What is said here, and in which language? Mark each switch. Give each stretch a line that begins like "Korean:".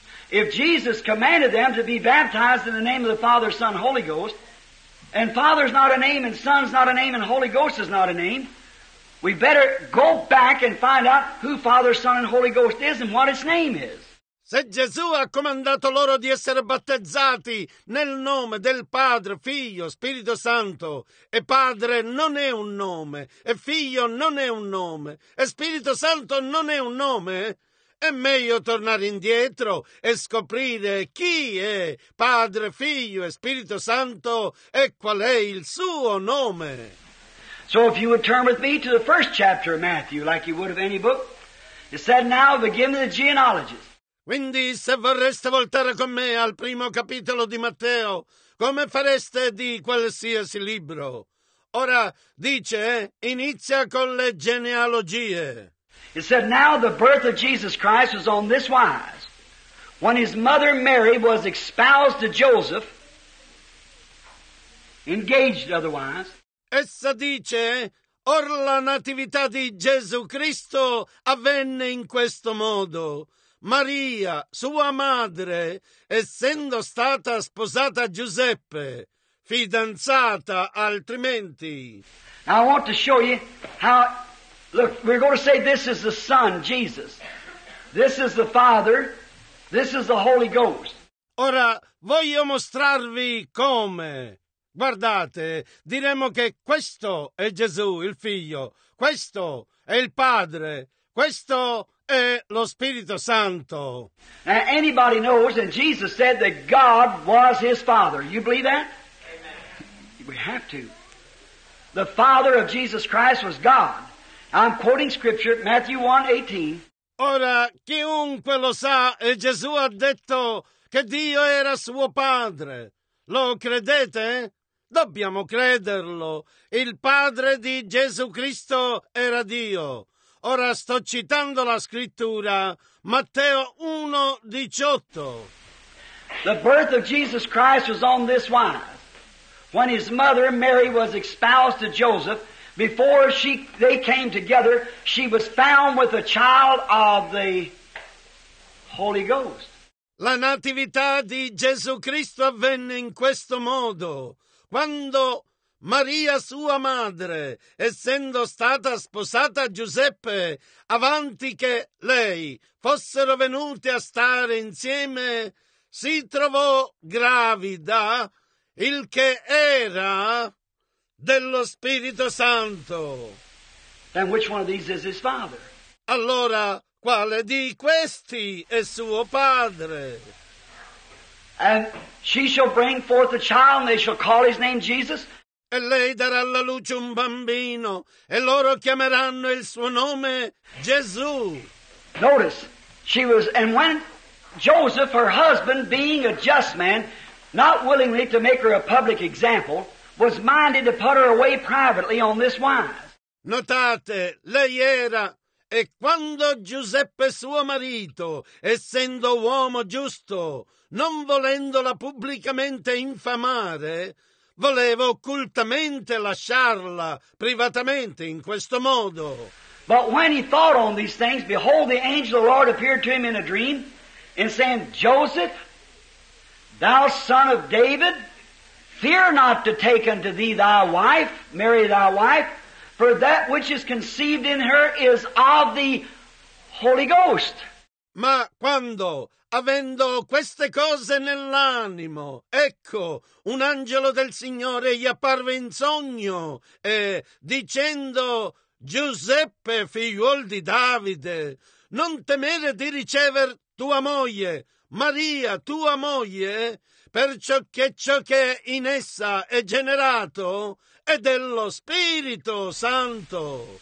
English: If Jesus commanded them to be baptized in the name of the Father, Son, Holy Ghost, and Father's not a name and Son's not a name and Holy Ghost is not a name, we better go back and find out who Father, Son, and Holy Ghost is and what its name is.
Italian: Se Gesù ha comandato loro di essere battezzati nel nome del Padre, Figlio, Spirito Santo, e Padre non è un nome, e Figlio non è un nome, e Spirito Santo non è un nome, è meglio tornare indietro e scoprire chi è Padre, Figlio e Spirito Santo e qual è il suo nome.
English: So if you would turn with me to the first chapter of Matthew, like you would of any book, it said now begin the genealogies.
Italian: Quindi se vorreste voltare con me al primo capitolo di Matteo, come fareste di qualsiasi libro? Ora dice, inizia con le genealogie.
English: It said now the birth of Jesus Christ was on this wise. When his mother Mary was espoused to Joseph, engaged otherwise,
Italian: essa dice, or la natività di Gesù Cristo avvenne in questo modo. Maria, sua madre, essendo stata sposata a Giuseppe, fidanzata altrimenti.
English: Now I want to show you how, look, we're going to say this is the Son, Jesus. This is the Father, this is the Holy Ghost.
Italian: Ora voglio mostrarvi come. Guardate, diremo che questo è Gesù, il Figlio, questo è il Padre, questo è lo Spirito Santo.
English: Now anybody knows that Jesus said that God was his Father. You believe that? Amen. We have to. The Father of Jesus Christ was God. I'm quoting Scripture, Matthew 1:18.
Italian: Ora, chiunque lo sa, e Gesù ha detto che Dio era suo Padre. Lo credete? Dobbiamo crederlo. Il Padre di Gesù Cristo era Dio. Ora sto citando la Scrittura, Matteo 1:18.
English: The birth of Jesus Christ was on this wise. When his mother Mary was espoused to Joseph, before they came together, she was found with a child of the Holy Ghost.
Italian: La natività di Gesù Cristo avvenne in questo modo. Quando Maria, sua madre, essendo stata sposata a Giuseppe, avanti che lei fossero venute a stare insieme, si trovò gravida, il che era dello Spirito Santo.
English: And which one of these is his father?
Italian: Allora, quale di questi è suo padre?
English: And she shall bring forth a child, and they shall call his name Jesus.
Italian: E lei darà alla luce un bambino, e loro chiameranno il suo nome Gesù.
English: Notice, she was, and when Joseph, her husband, being a just man, not willingly to make her a public example, was minded to put her away privately on this wise.
Italian: Notate, lei era, e quando Giuseppe suo marito, essendo uomo giusto, non volendola pubblicamente infamare, voleva occultamente lasciarla privatamente in questo modo.
English: But when he thought on these things, behold, the angel of the Lord appeared to him in a dream, and saying, Joseph, thou son of David, fear not to take unto thee thy wife, Mary thy wife, for that which is conceived in her is of the Holy Ghost.
Italian: Ma quando, avendo queste cose nell'animo, ecco, un angelo del Signore gli apparve in sogno, e dicendo, Giuseppe, figliuol di Davide, non temere di ricever tua moglie, Maria, tua moglie, perciò che ciò che in essa è generato è dello Spirito Santo.